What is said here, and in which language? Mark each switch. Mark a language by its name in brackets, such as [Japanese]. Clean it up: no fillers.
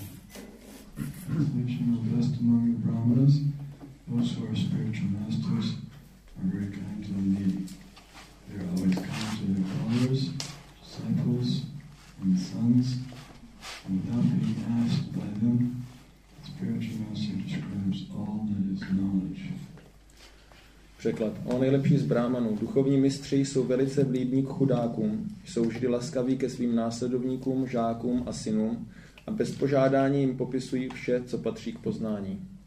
[Czech] kteří jsou blídní k chudákům. [English] Those who are spiritual masters are very kind to the needy. They are always kind to their followers, disciples, and sons. Without being asked by them, the spiritual master describes all that is knowledge. [Czech] Překlad. O nejlepší z brahmanů. Duchovní mistři jsou velice vlídní k chudákům, jsou vždy laskaví ke svým následovníkům, žákům a synům a bez požádání jim popisují vše, co patří k poznání.